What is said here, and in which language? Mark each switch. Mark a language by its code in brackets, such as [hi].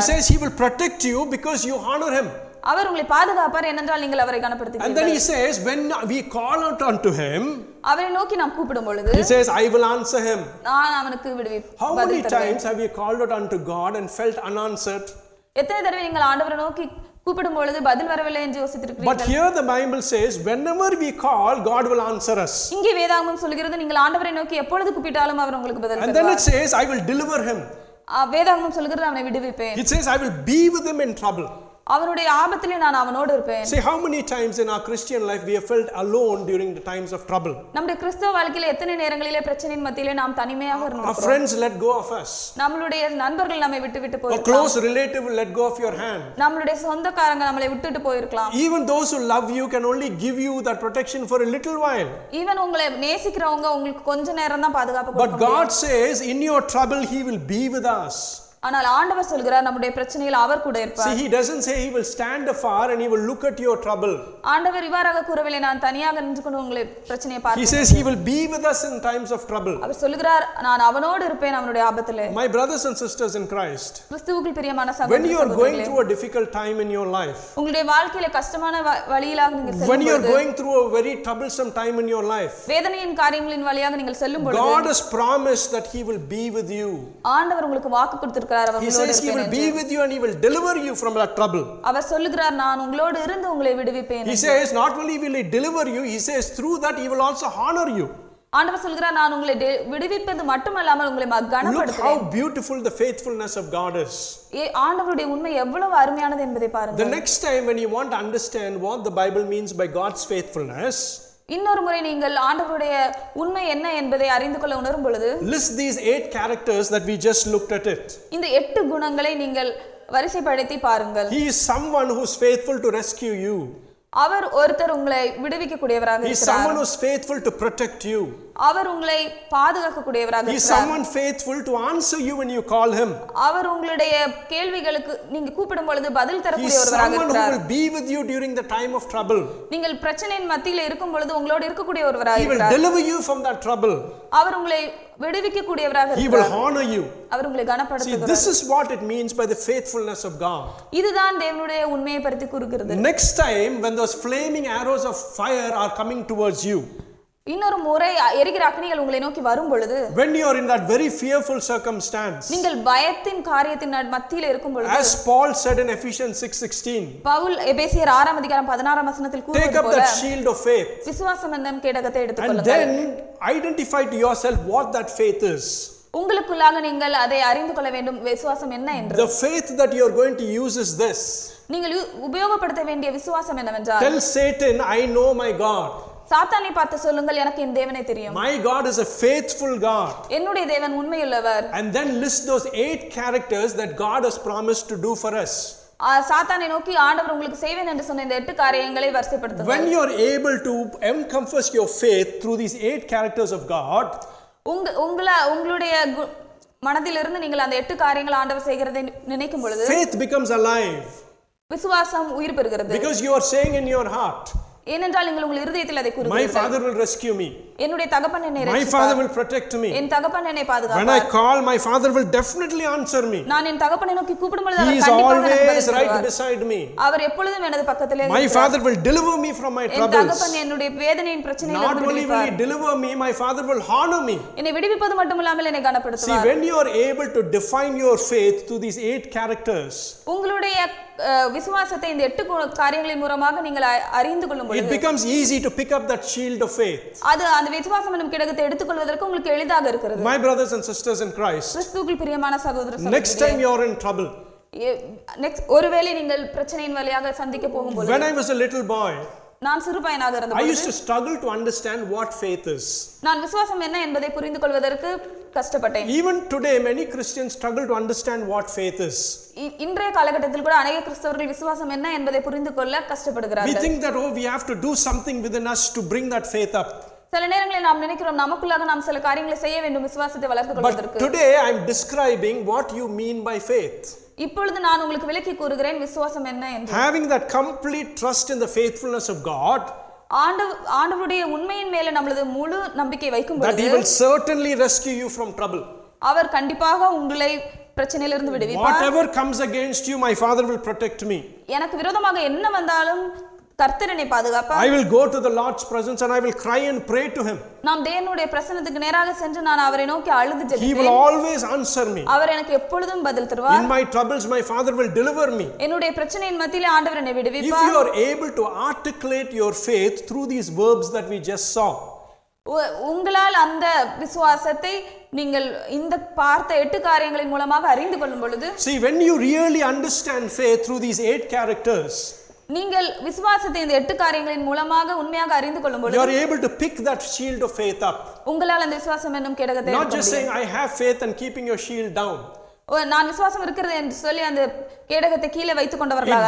[en] He says he will protect you because you honor him. [ta] அவர் உங்களை பாதுகாப்பார் என்றென்றால் நீங்கள் அவரை கனப்படுத்துகிறீர்கள். [en] And then he says when we call out unto him [ta] அவரை நோக்கி நாம் கூப்பிடும் பொழுது [en] He says I will answer him. [ta] நான் அவனுக்கு விடுவிப்பேன். [en] How many times have you called out unto God and felt unanswered? [ta] எத்தனை தடவை நீங்கள் ஆண்டவரை நோக்கி கூப்பிடும் பொழுது பதில் வரவில்லை என்று யோசித்திருக்கிறீர்கள்? [en] But here the Bible says whenever we call God will answer us. [ta] இங்கே வேதாகமம் சொல்கிறது நீங்கள் ஆண்டவரை நோக்கி எப்பொழுது கூப்பிட்டாலும் அவர் உங்களுக்கு பதில் தருவார். [en] And then it says I will deliver him. [ta] வேதாகமம் சொல்கிறது அவனை விடுவிப்பேன். [en] It says I will be with him in trouble. [ta] அவருடைய ஆபத்திலே நான் அவனோடு இருப்பேன். [en] See how many times in our Christian life we have felt alone during the times of trouble. [ta] நம்முடைய கிறிஸ்தவ வாழ்க்கையிலே எத்தனை நேரங்களிலே பிரச்சனையின் மத்தியிலே நாம் தனிமையாக இருந்திருக்கிறோம். [en] Our friends let go of us. [ta] நம்மளுடைய நண்பர்கள் நம்மை விட்டு விட்டு போயிருக்கலாம். [en] A close relative let go of your hand. [ta] நம்மளுடைய சொந்தக்காரங்க நம்மளை விட்டுட்டு போயிருக்கலாம். [en] Even those who love you can only give you that protection for a little while. Even [ta] உங்களை நேசிக்கிறவங்க உங்களுக்கு கொஞ்ச நேரம்தான் பாதுகாப்பு கொடுக்க முடியும். [en] But God says in your trouble he will be with us. [ta] ஆனால் ஆண்டவர் சொல்கிறார் நம்முடைய பிரச்சனையில் அவர் கூட இருப்பார். [en] See he doesn't say he will stand afar and he will look at your trouble. [ta] ஆண்டவர் இவ்வாறாக கூறவில்லை நான் தனியாக நின்று கொண்டு உங்களுடைய பிரச்சனையை பார்ப்பேன். [en] He says he will be with us in times of trouble. [ta] அவர் சொல்கிறார் நான் அவனோடு இருப்பேன் அவனுடைய ஆபத்திலே. [en] My brothers and sisters in Christ. [ta] கிறிஸ்துவுக்கு பிரியமான சகோதரர்களே. [en] When you are going through a difficult time in your life. [ta] உங்களுடைய வாழ்க்கையில கஷ்டமான வழியில நீங்கள் செல்லும் பொழுது. [en] When you are going through a very troublesome time in your life. [ta] வேதனையின் காரியங்களின் வழியாக நீங்கள் செல்லும் பொழுது. [en] God has promised that he will be with you. [ta] ஆண்டவர் உங்களுக்கு வாக்கு கொடுத்து [en] He says he will be with you and he will deliver you from that trouble. [ta] அவர் சொல்கிறார் நான் உங்களோடு இருந்து உங்களை விடுவிப்பேன். [en] He says not only will he deliver you, he says through that he will also honor you. [ta] ஆண்டவர் சொல்கிறார் நான் உங்களை விடுவிப்பது மட்டுமல்லாமல் உங்களை மகிமைப்படுத்துவேன். [en] Look how beautiful the faithfulness of God is. [ta] ஆண்டவருடைய உண்மை எவ்வளவு அருமையானது என்பதை பாருங்கள். [en] The next time when you want to understand what the Bible means by God's faithfulness, [ta] இன்னொரு முறை நீங்கள் ஆண்டவருடைய உண்மை என்ன என்பதை அறிந்து கொள்ள உணரும் பொழுது [en] list these 8 characters that we just looked at it [ta] இந்த 8 குணங்களை நீங்கள் வரிசைப்படுத்தி பாருங்கள் [en] he is someone who is faithful to rescue you [ta] அவர் ஒருத்தர் உங்களை விடுவிக்க கூடியவராக இருக்கிறார் [en] he is someone who is faithful to protect you [ta] அவர் உங்களை பாதுகாக்க கூடியவராக இருக்கிறார் [en] he is someone faithful to answer you when you call him [ta] அவர் உங்களுடைய கேள்விகளுக்கு நீங்க கூப்பிடும் பொழுது பதில் தரக்கூடியவராக இருக்கிறார் [en] he is someone who will be with you during the time of trouble [ta] நீங்கள் பிரச்சனையின் மத்தியில் இருக்கும் பொழுது உங்களோடு இருக்கக்கூடியவராக இருக்கிறார் [en] he will deliver you from that trouble [ta] அவர் உங்களை விடுவிக்க கூடியவராக இருக்கிறார் [en] he will honor you [ta] அவர் உங்களை கனப்படுத்துவார் [en] see this is what it means by the faithfulness of god [ta] இதுதான் தேவனுடைய உண்மையை பற்றி கூறுகிறது [en] next time when those flaming arrows of fire are coming towards you [ta] இன்னொரு முறை எரிகிற அக்னிகள் உங்களை நோக்கி வரும் பொழுது [en] when you are in that very fearful circumstance [ta] நீங்கள் பயத்தின் காரியத்தின் மத்தியில் இருக்கும் பொழுது [en] as paul said in ephesians 6:16 [ta] Pavul எபேசியர் 6 அதிகாரம் 16 வசனத்தில் கூறுகிறார் [en] take up that shield of faith [ta] விசுவாசம் என்னும் கேடகத்தை எடுத்துக்கொள்ளுங்கள் [en] and then identify to yourself what that faith is [ta] உங்களுக்குள்ளாக நீங்கள் அதை அறிந்து கொள்ள வேண்டும் விசுவாசம் என்ன என்று [en] the faith that you are going to use is this [ta] நீங்கள் உபயோகப்படுத்த வேண்டிய விசுவாசம் என்னவென்றால் [en] tell satan i know my god [ta] சாத்தானை பார்த்து சொல்லுங்கள் எனக்கு என் தேவனே தெரியும் [en] my god is a faithful god [ta] என்னுடைய தேவன் உண்மையுள்ளவர் [en] and then list those 8 characters that god has promised to do for us [ta] சாத்தானை நோக்கி ஆண்டவர் உங்களுக்கு செய்வேன் என்று சொன்ன இந்த 8 காரியங்களை வரிசைப்படுத்துங்கள் [en] when you are able to encompass your faith through these 8 characters of god [ta] உங்களுடைய மனதிலிருந்து நீங்கள் அந்த 8 காரியங்களை ஆண்டவர் செய்கிறதை நினைக்கும் பொழுது [en] faith becomes alive [ta] விசுவாசம் உயிர் பெறுகிறது [en] because you are saying in your heart [ta] ஏனென்றால் நீங்கள் உங்கள் இதயத்தில் அதை கூறுகிறீர்கள் [en] my father will rescue me [ta] என்னுடைய தகப்பன் என்னை ரட்சிப்பார் [en] my father will protect me [ta] என் தகப்பன் என்னை பாதுகாப்பார் [en] when i call my father will definitely answer me [ta] நான் என் தகப்பனை நோக்கி கூப்பிடும் பொழுது அவர் கண்டிப்பாக எனக்கு பதில் சொல்வார் [en] he is always right beside me [ta] அவர் எப்பொழுதும் எனது பக்கத்தில் இருக்கிறார் [en] my father will deliver me from my troubles [ta] என் தகப்பன் என்னுடைய வேதனையின் பிரச்சனையிலிருந்து விடுவிப்பார் [en] not only will he deliver me my father will honor me [ta] என்னை விடுவிப்பது மட்டுமல்லாமல் என்னை கனப்படுத்துவார் [en] see when you are able to define your faith through these 8 characters [ta] உங்களுடைய விசுவாசத்தை இந்த 8 காரியங்களின் மூலமாக நீங்கள் அறிந்து கொள்ளும் பொழுது [en] it becomes easy to pick up that shield of faith [ta] அந்த விசுவாசம் என்னும் கிடகத்தை எடுத்துக் கொள்வதற்கு உங்களுக்கு எளிதாக இருக்கிறது [en] my brothers and sisters in christ [ta] கிறிஸ்துவுக்குள் பிரியமான சகோதர [en] next time you are in trouble next [ta] ஒருவேளை நீங்கள் பிரச்சனையின் வழியாக சந்திக்க போகும்போது [en] when i was a little boy [ta] நான் சிறு பையனாக இருந்த போது [en] i used to struggle to understand what faith is [ta] நான் விசுவாசம் என்ன என்பதை புரிந்து கொள்வதற்கு கஷ்டப்பட்டேன் [en] even today many christians struggle to understand what faith is [ta] இன்றைய காலகட்டத்தில் கூட அநேக கிறிஸ்தவர்கள் விசுவாசம் என்ன என்பதை புரிந்துகொள்ள கஷ்டப்படுகிறார்கள் [en] we think that oh we have to do something within us to bring that faith up [ta] சில நேரங்களில் நாம் நினைக்கிறோம் நமக்குள்ளாக நாம் சில காரியங்களை செய்ய வேண்டும் விசுவாசத்தை வளர்த்துக் கொள்வதற்கு [en] today i am describing what you mean by faith [ta] இப்பொழுது நான் உங்களுக்கு விளக்கி கூறுகிறேன் விசுவாசம் என்ன என்று [en] having that complete trust in the faithfulness of god [ta] ஆண்டவருடைய உண்மையின் மேல் நம்மளது முழு நம்பிக்கை வைக்கும் பொழுது [en] that he will certainly rescue you from trouble [ta] அவர் கண்டிப்பாக உங்களை பிரச்சனையிலிருந்து விடுவிப்பார் [en] whatever comes against you my father will protect me [ta] எனக்கு விரோதமாக என்ன வந்தாலும் கர்த்தரினை பாதுகாப்பார் [en] I will go to the Lord's presence and I will cry and pray to him [ta] நாம் தேவனுடைய பிரசன்னத்துக்கு நேராக சென்று நான் அவரை நோக்கி அழுது ஜெபிப்பேன் [en] He will always answer me [ta] அவர் எனக்கு எப்பொழுதும் பதில் தருவார் [en] In my troubles my father will deliver me [ta] என்னுடைய பிரச்சனையின் மத்தியிலே ஆண்டவர் என்னை விடுவிப்பார் [en] If you are able to articulate your faith through these verbs that we just saw [ta] உங்களால் அந்த விசுவாசத்தை நீங்கள் இந்த பார்த்த 8 காரியங்களின் மூலமாக அறிந்து கொள்ளும் பொழுது [en] See when you really understand faith through these 8 characters [ta] நீங்கள் விசுவாசத்தை இந்த 8 காரியங்களின் மூலமாக உண்மையாக அறிந்து கொள்ளும் பொழுது [en] you are able to pick that shield of faith up [ta] உங்களால் அந்த விசுவாசம் என்னும் கேடகத்தை [en] not just saying i have faith and keeping your shield down [ta] நான் விசுவாசம் இருக்கிறது என்று சொல்லி அந்த கேடகத்தை கீழே வைத்துக் கொண்டவர்களாக